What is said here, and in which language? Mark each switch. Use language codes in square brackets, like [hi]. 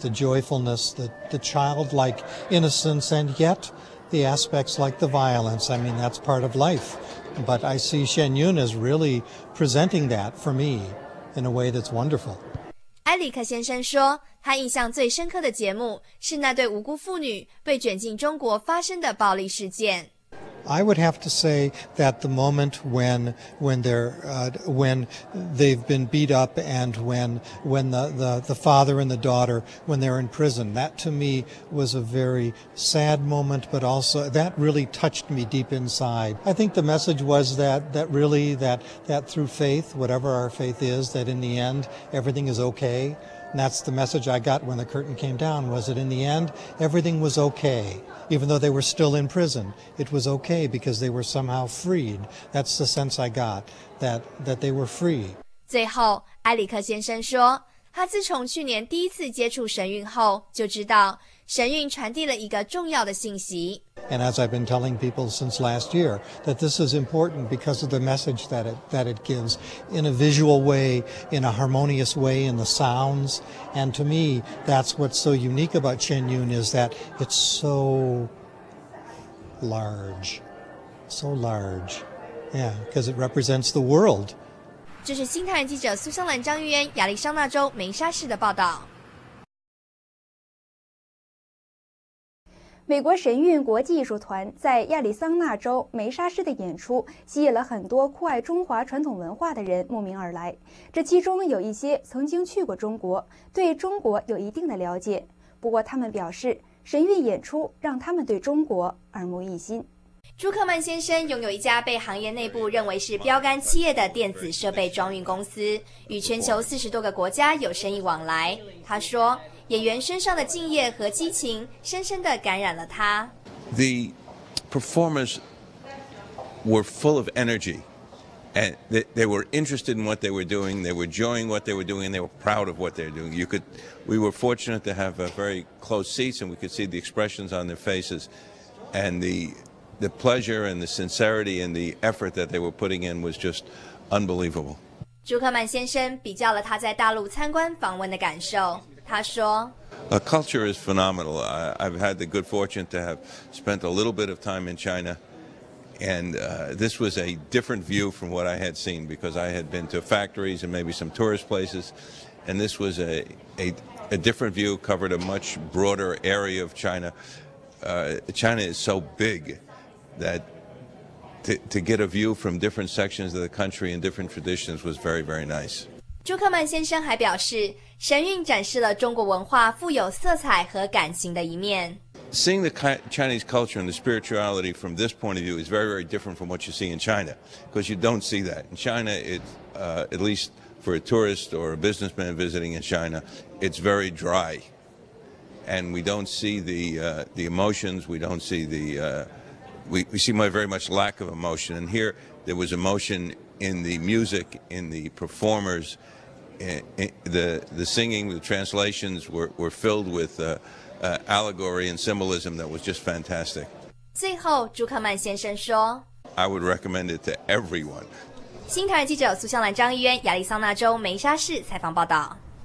[en] The joyfulness, the childlike innocence, and yet the aspects like the violence. I mean, that's part of life. But I see Shen Yun as really presenting that for me in a way that's wonderful. [zh] 埃里克先生说，他印象最深刻的节目是那对无辜妇女被卷进中国发生的暴力事件。 [en] I would have to say that the moment when they've been beat up and when the father and the daughter when they're in prison, that to me was a very sad moment, but also that really touched me deep inside. I think the message was that through faith, whatever our faith is, that in the end everything is okay. And that's the message I got when the curtain came down. Was that in the end everything was okay. Even though they were still in prison, it was okay because they were somehow freed. That's the sense I got, that they were free. [zh] 最后，埃里克先生说，他自从去年第一次接触神韵后，就知道神韵传递了一个重要的信息。 [en] And as I've been telling people since last year, that this is important because of the message that it gives in a visual way, in a harmonious way, in the sounds. And to me, that's what's so unique about Chen Yun is that it's so large. So large. Yeah, because it represents the world. [zh] 这是新唐人记者苏湘兰、张玉渊，亚利桑那州梅沙市的报道。美国神韵国际艺术团在亚利桑那州梅沙市的演出吸引了很多酷爱中华传统文化的人慕名而来，这其中有一些曾经去过中国，对中国有一定的了解，不过他们表示神韵演出让他们对中国耳目一新。朱克曼先生拥有一家被行业内部认为是标杆企业的电子设备装运公司，与全球40多个国家有生意往来。他说演员身上的敬业和激情深深地感染了他。 [en] The performers were full of energy, and they were interested in what they were doing. They were enjoying what they were doing, and they were proud of what they were doing. We were fortunate to have a very close seats, and we could see the expressions on their faces, and the pleasure and the sincerity and the effort that they were putting in was just unbelievable. [zh] 朱克曼先生比较了他在大陆参观访问的感受。他说 [en] A culture is phenomenal. I've had the good fortune to have spent a little bit of time in China, and this was a different view from what I had seen because I had been to factories and maybe some tourist places, and this was a different view, covered a much broader area of China. China is so big that to get a view from different sections of the country and different traditions was very, very nice. [zh] 朱克曼先生还表示神韵展示了中国文化富有色彩和感情的一面。 [en] Seeing the Chinese culture and the spirituality from this point of view is very, very different from what you see in China, because you don't see that. In China, at least for a tourist or a businessman visiting in China, it's very dry. And we don't see the emotions, we don't see we see very much lack of emotion. And here, there was emotion in the music, in the performers,The singing, the translations were filled with allegory and symbolism that was just fantastic. [zh] 最后，朱克曼先生说 [en] ，I would recommend it to everyone. [zh] 新唐人记者苏湘兰、张玉渊，亚利桑那州梅沙市采访报道。